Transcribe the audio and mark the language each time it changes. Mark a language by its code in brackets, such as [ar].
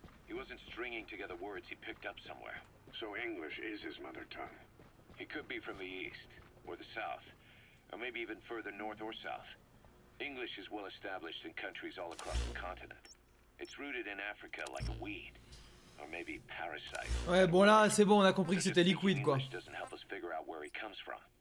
[en] He wasn't stringing together words he picked up somewhere. So English is his mother tongue. He could be from the east, or the south, or maybe even further north or south. English is well established in countries all across the continent. It's rooted in Africa like a weed. Or maybe parasite. [fr] Ouais, bon là, c'est bon, on a compris que c'était liquide, quoi. [en] English doesn't help us figure out where he comes from.